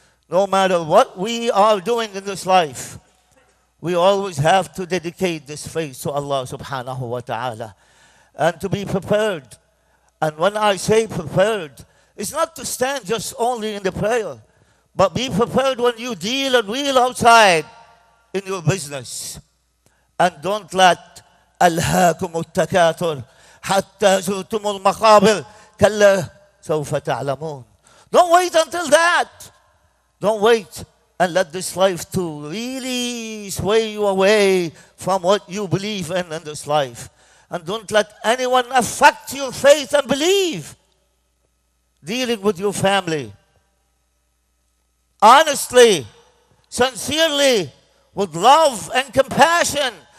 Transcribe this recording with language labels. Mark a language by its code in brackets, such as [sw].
[en] No matter what we are doing in this life, we always have to dedicate this faith to Allah subhanahu wa ta'ala and to be prepared. And when I say prepared, it's not to stand just only in the prayer, but be prepared when you deal and wheel outside in your business. And don't let [ar] ألهاكم التكاثر حتى زرتم المقابر كلا سوف تعلمون. [en] Don't wait until that. Don't wait and let this life to really sway you away from what you believe in this life. And don't let anyone affect your faith and belief. Dealing with your family honestly, sincerely, with love and compassion.